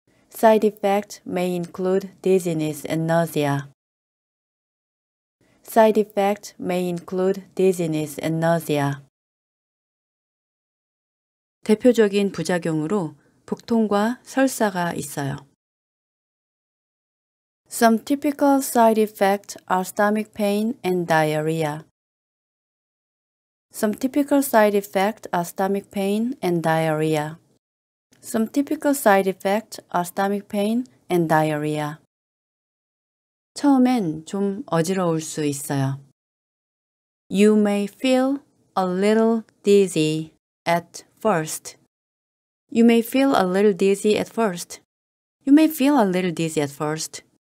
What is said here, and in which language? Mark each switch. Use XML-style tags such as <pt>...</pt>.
<en>Side effect may include dizziness and nausea. Side effect may include dizziness and nausea.</en> <ko>대표적인 부작용으로 복통과 설사가 있어요.</ko> <en>Some typical side effects are stomach pain and diarrhea. Some typical side effects are stomach pain and diarrhea. Some typical side effects are stomach pain and diarrhea.</en> <ko>처음엔 좀 어지러울 수 있어요.</ko> <en>You may feel a little dizzy at first. You may feel a little dizzy at first. You may feel a little dizzy at first.</en>